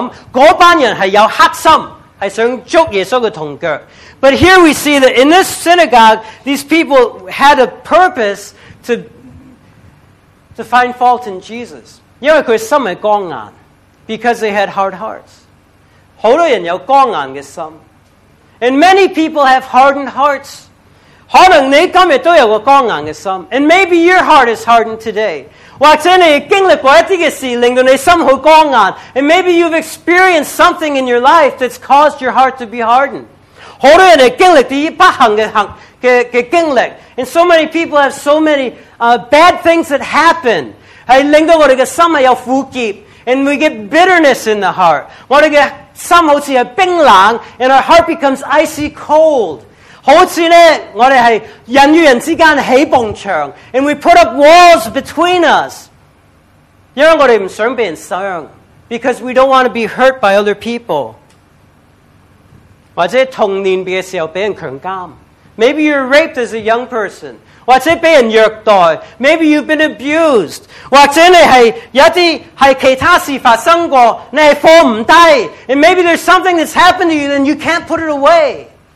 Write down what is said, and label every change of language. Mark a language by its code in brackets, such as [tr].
[zh] 但在这个会堂里面不是这样,那帮人是有黑心, 是想捉耶稣的同脚. [en] But here we see that in this synagogue, these people had a purpose to find fault in Jesus. [zh] 因为他们心是刚硬, [en] because they had hard hearts. [zh] 很多人有刚硬的心. [en] And many people have hardened hearts. [zh] 可能你今天都有个刚硬的心. [en] And maybe your heart is hardened today. [zh] 或者你经历过一些事,令到你心很刚硬. [en] And maybe you've experienced something in your life that's caused your heart to be hardened. [zh] 很多人经历这些不幸的经历. [en] And so many people have so many bad things that happen. [zh] 令到我们的心有苦涩. [en] And we get bitterness in the heart. [zh] 我们的心好像冰冷. [en] And our heart becomes icy cold. [zh] 好像呢,我们是人与人之间起蹦墙. [en] And we put up walls between us. [zh] 因为我们不想被人伤. [en] Because we don't want to be hurt by other people. [zh] 或者童年的时候被人强奸. [en] Maybe you're raped as a young person. [zh] 或者被人虐待. [en] Maybe you've been abused. [zh] 或者你是有些其他事发生过, 你是放不下. [en] And maybe there's something that's happened to you and you can't put it away.